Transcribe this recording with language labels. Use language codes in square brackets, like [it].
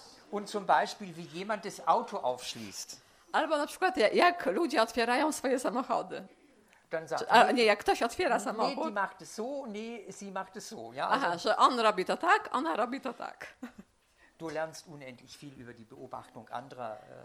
[de] und zum Beispiel, wie jemand das Auto aufschließt. [pl] Albo na przykład, jak ludzie otwierają swoje samochody. [de] Dann sagt, [pl] jak ktoś otwiera samochód. [de] Nie, die macht es so, nie, sie macht es so. Ja, [pl] aha, also, że on robi to tak, ona robi to tak. [de] Du lernst unendlich viel über die Beobachtung anderer.